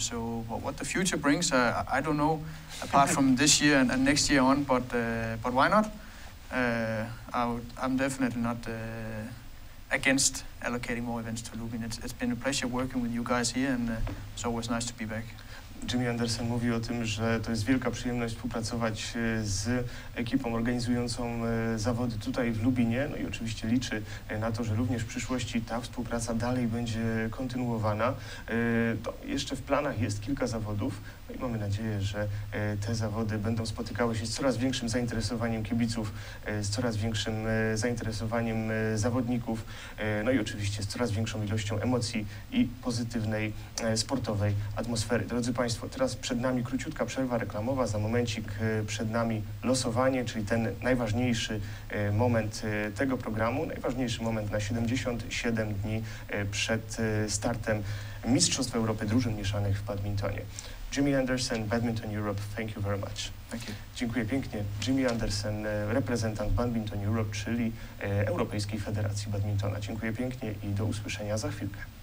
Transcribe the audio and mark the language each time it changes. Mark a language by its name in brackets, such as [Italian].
[English] So what the future brings, I don't know. Apart from this year and next year on, but why not? I'm definitely not against allocating more events to Lubin. It's been a pleasure working with you guys here, and it's always nice to be back. [Polish] Jimmy Andersen mówi o tym, że to jest wielka przyjemność współpracować z ekipą organizującą zawody tutaj w Lubinie. No i oczywiście liczy na to, że również w przyszłości ta współpraca dalej będzie kontynuowana. To jeszcze w planach jest kilka zawodów. No i mamy nadzieję, że te zawody będą spotykały się z coraz większym zainteresowaniem kibiców, z coraz większym zainteresowaniem zawodników. No i oczywiście z coraz większą ilością emocji i pozytywnej sportowej atmosfery. Drodzy Państwo, teraz przed nami króciutka przerwa reklamowa, za momencik przed nami losowanie, czyli ten najważniejszy moment tego programu, najważniejszy moment na 77 dni przed startem Mistrzostw Europy Drużyn Mieszanych w Badmintonie. [English] Jimmy Andersen, Badminton Europe, thank you very much. Thank you. [Polish] Dziękuję pięknie. Jimmy Andersen, reprezentant Badminton Europe, czyli Europejskiej Federacji Badmintona. Dziękuję pięknie i do usłyszenia za chwilkę.